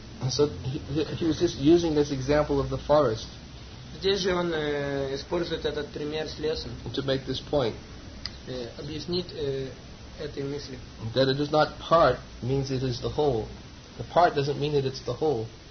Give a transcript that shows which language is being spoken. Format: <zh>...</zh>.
<en>So he was just using this example of the forest.</en> <ru>Здесь же он использует этот пример с лесом.</ru> <en>To make this point.</en> <ru>Объяснить этой мысли.</ru> <en>That it is not part means it is the whole. The part doesn't mean that it's the whole.</en>